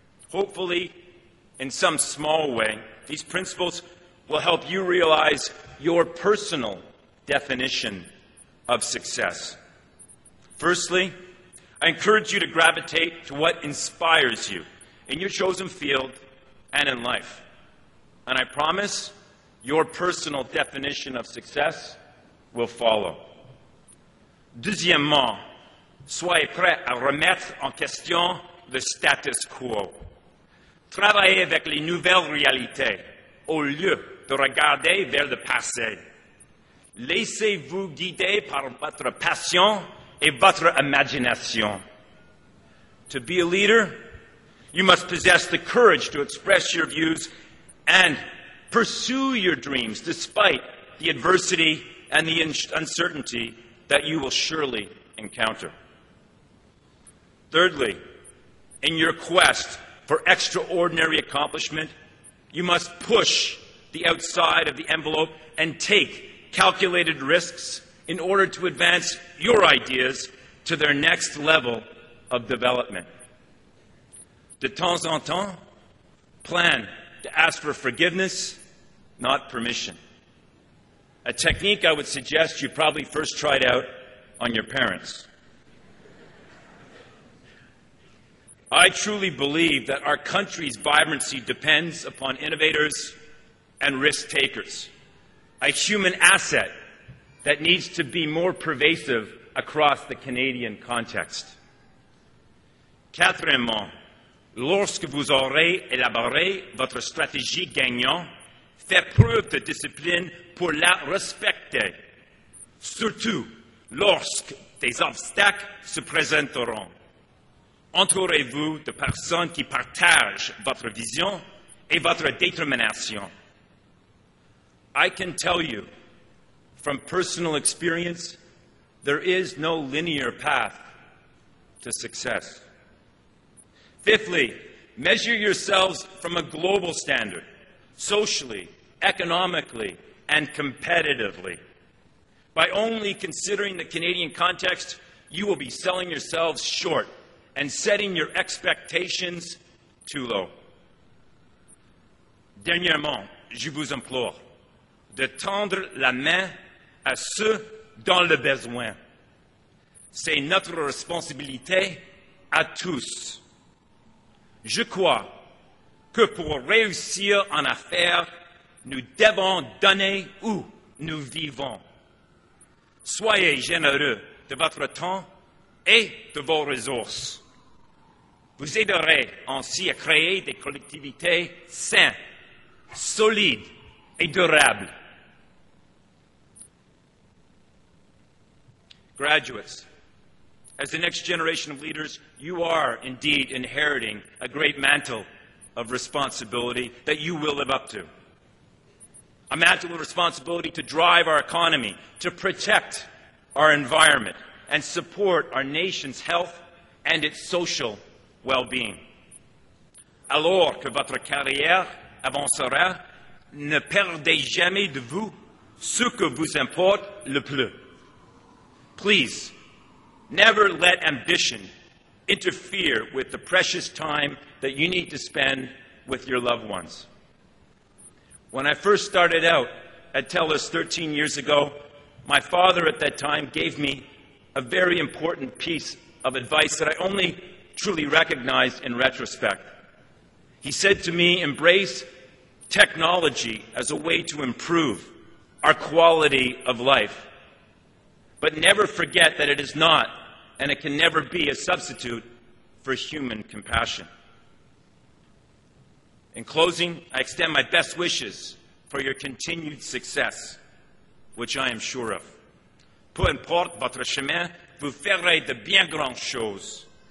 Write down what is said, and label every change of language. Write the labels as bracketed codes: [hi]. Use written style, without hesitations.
[en] Hopefully, in some small way, these principles will help you realize your personal definition of success. Firstly, I encourage you to gravitate to what inspires you in your chosen field and in life. And I promise your personal definition of success will follow. [fr] Deuxièmement, soyez prêt à remettre en question le status quo. Travaillez avec les nouvelles réalités au lieu de regarder vers le passé. Laissez-vous guider par votre passion et votre imagination. [en] To be a leader, you must possess the courage to express your views and pursue your dreams despite the adversity and the uncertainty that you will surely encounter. Thirdly, in your quest for extraordinary accomplishment, you must push the outside of the envelope and take calculated risks in order to advance your ideas to their next level of development. [fr] De temps en temps, [en] plan to ask for forgiveness, not permission. A technique I would suggest you probably first tried out on your parents. I truly believe that our country's vibrancy depends upon innovators and risk takers, a human asset that needs to be more pervasive across the Canadian context. [fr] Quatrièmement, lorsque vous aurez élaboré votre stratégie gagnante, faites preuve de discipline pour la respecter, surtout lorsque des obstacles se présenteront. Entourez-vous de personnes qui partagent votre vision et votre détermination. [en] I can tell you, from personal experience, there is no linear path to success. Fifthly, measure yourselves from a global standard, socially, economically, and competitively. By only considering the Canadian context, you will be selling yourselves short and setting your expectations too low. [fr] Dernièrement, je vous implore de tendre la main à ceux dans le besoin. C'est notre responsabilité à tous. Je crois que pour réussir en affaires, nous devons donner où nous vivons. Soyez généreux de votre temps et de vos ressources. Vous aiderez ainsi à créer des collectivités saines, solides et durables. [en] Graduates, as the next generation of leaders, you are indeed inheriting a great mantle of responsibility that you will live up to. A mantle of responsibility to drive our economy, to protect our environment, and support our nation's health and its social well-being. [fr] Alors que votre carrière avancera, ne perdez jamais de vue ce que vous importe le plus. [en] Please, never let ambition interfere with the precious time that you need to spend with your loved ones. When I first started out at TELUS 13 years ago, my father at that time gave me a very important piece of advice that I only truly recognized in retrospect. He said to me, embrace technology as a way to improve our quality of life, but never forget that it is not and it can never be a substitute for human compassion. In closing, I extend my best wishes for your continued success, which I am sure of. [fr] Peu importe votre chemin, vous ferez de bien grandes choses.